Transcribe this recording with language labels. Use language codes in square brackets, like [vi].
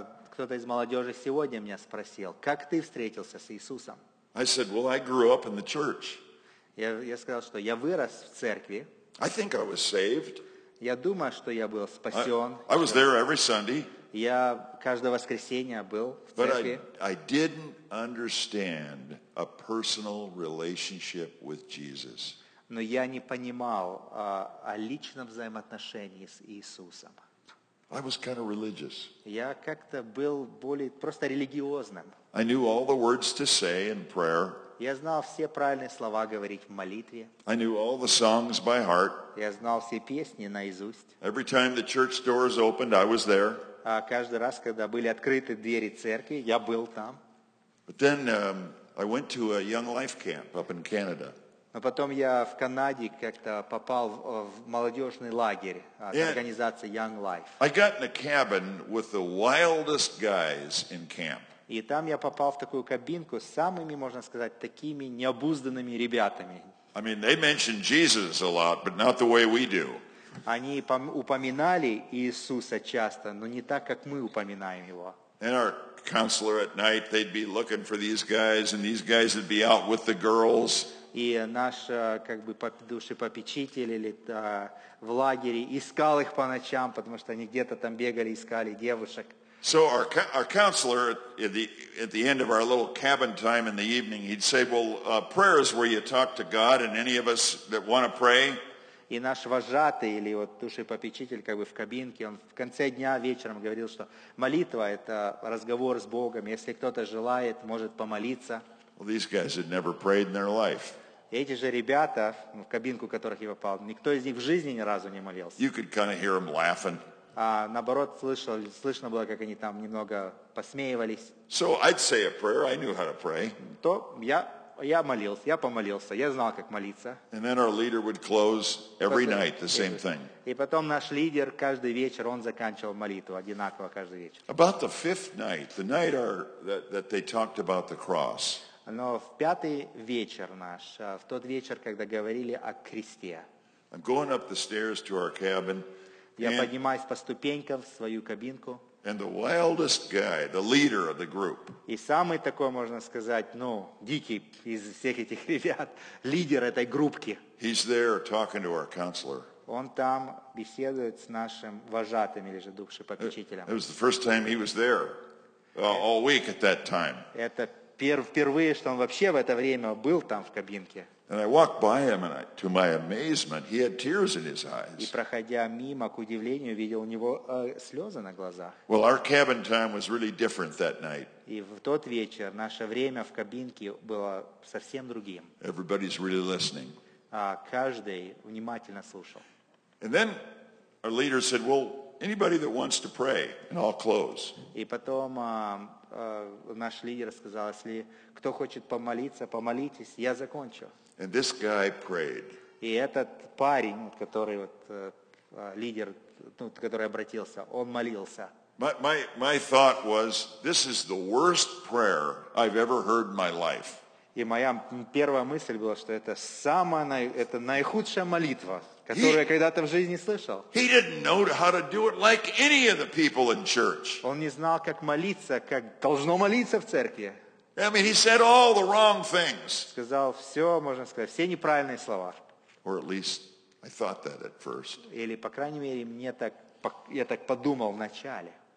[ru] Кто-то из молодежи сегодня меня спросил, как ты встретился с Иисусом? [en] I said, well, I grew up in the church. [ru] Я сказал, что я вырос в церкви. [en] I think I was saved. [ru] Я думаю, что я был спасен. [en] I was there every Sunday. [ru] Я каждое воскресенье был в церкви. [en] But I didn't understand a personal relationship with Jesus. [ru] Но я не понимал о личном взаимоотношении с Иисусом. [en] I was kind of religious. [ru] Я как-то был более просто религиозным. [en] I knew all the words to say in prayer. [ru] Я знал все правильные слова говорить в молитве. [en] I knew all the songs by heart. [ru] Я знал все песни наизусть. [en] Every time the church doors opened, I was there. [ru] А каждый раз, когда были открыты двери церкви, я был там. [en] But then I went to a Young Life camp up in Canada. [ru] Но потом я в Канаде как-то попал в молодежный лагерь организации Young Life. [en] I got in a cabin with the wildest guys in camp. [ru] И там я попал в такую кабинку с самыми, можно сказать, такими необузданными ребятами. [en] I mean, they mentioned Jesus a lot, but not the way we do. [ru] Они упоминали Иисуса часто, но не так, как мы упоминаем его. [en] And our counselor at night, they'd be looking for these guys, and these guys would be out with the girls. [ru] И наш как бы душепопечитель или в лагере искал их по ночам, потому что они где-то там бегали, искали девушек. [en] So our counselor at the end of our little cabin time in the evening, he'd say, well, prayer is where you talk to God and any of us that want to pray. [ru] И наш вожатый или вот душепопечитель как бы в кабинке, он в конце дня вечером говорил, что молитва — это разговор с Богом. Если кто-то желает, может помолиться. [en] Well, these guys had never prayed in their life. [ru] Эти же ребята, в кабинку которых я попал, никто из них в жизни ни разу не молился. [en] You could kind of hear them laughing. [ru] Наоборот, слышно было, как они там немного посмеивались. [en] So I'd say a prayer. I knew how to pray. [ru] То я молился, я помолился, я знал, как молиться. [en] And then our leader would close every night the same thing. [ru] И потом наш лидер каждый вечер он заканчивал молитву одинаково каждый вечер. [en] About the fifth night, the night that they talked about the cross. [ru] Но в пятый вечер наш, в тот вечер, когда говорили о кресте, [en] I'm going up the stairs to our cabin, [ru] я поднимаюсь по ступенькам в свою кабинку, [en] and the wildest guy, the leader of the group, [ru] и самый такой, можно сказать, ну, дикий из всех этих ребят, лидер этой группки, [en] he's there talking to our counselor. [ru] Он там беседует с нашим вожатым или же душепопечителем. [en] It was the first time he was there all week at that time. [ru] Это впервые, что он вообще в это время был там в кабинке. [en] And I walked by him, and to my amazement, he had tears in his eyes. [ru] И проходя мимо, к удивлению, видел у него слезы на глазах. [en] Well, our cabin time was really different that night. [ru] И в тот вечер наше время в кабинке было совсем другим. [en] Everybody's really listening. [ru] Каждый внимательно слушал. [en] And then our leader said, "Well, anybody that wants to pray, and I'll close." [ru] И потом наш лидер сказал, если кто хочет помолиться, помолитесь, я закончу. [en] And this guy prayed. [ru] И этот парень, который вот лидер, ну, который обратился, он молился. [en] My thought was, this is the worst prayer I've ever heard in my life. [ru] И моя первая мысль была, что это самая, это наихудшая молитва, которую я когда-то в жизни слышал. [en] He didn't know how to do it like any of the people in church. [ru] Он не знал, как молиться, как должно молиться в церкви. [en] I mean, he said all the wrong things. [ru] Сказал все, можно сказать, все неправильные слова. [en] Or at least I thought that at first. [ru] Или, по крайней мере, мне так, я так подумал вначале.